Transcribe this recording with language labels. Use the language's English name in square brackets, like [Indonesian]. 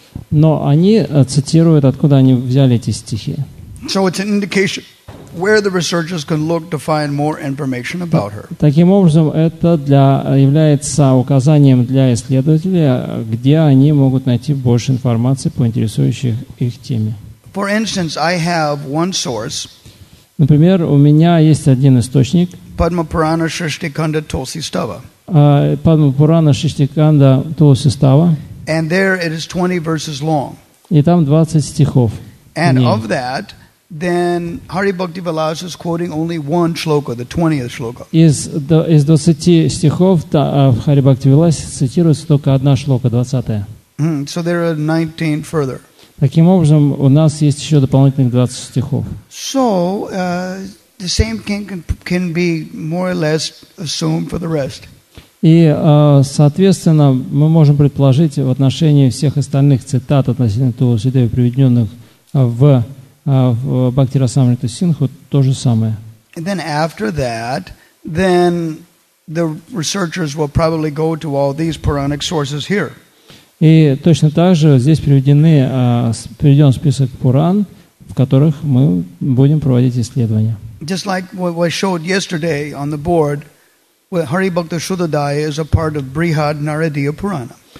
[Russian] Но они цитируют, откуда они взяли эти стихи. [English] So it's an indication where the researchers can look to find more information about her. [Russian] Таким образом, это для является указанием для исследователей, где они могут найти больше информации по интересующей их теме. [English] For instance, I have one source. [Russian] Например, у меня есть один источник. [English] Padma Purana Shrishtikanda Tulsi Stava. [Russian] Padma Purana Shrishtikanda Tulsi Stava. [English] And there it is 20 verses long. [Russian] И там 20 стихов. [English] And of that, then Hari Bhakti Vilas is quoting only one shloka, the 20th shloka. [Russian] Из 20 стихов в Hari Bhakti Vilas цитируется только одна шлока, 20-я. [English] So there are 19 further. [Russian] Таким образом, у нас есть еще дополнительных 20 стихов. [English] So, the same thing can be more or less assumed for the rest. [Russian] И, соответственно, мы можем предположить в отношении всех остальных цитат относительно Туласи Деви, приведенных в Бхакти Расамриту Сингху, то же самое. [English] And then after that, then the researchers will probably go to all these Puranic sources here. [Russian] И точно так же здесь приведен список Пуран, в которых мы будем проводить исследования. [English] Just like what was showed yesterday on the board, well, Hari Bhakta Shuddhodaya is a part of Brihad Naradiya Purana.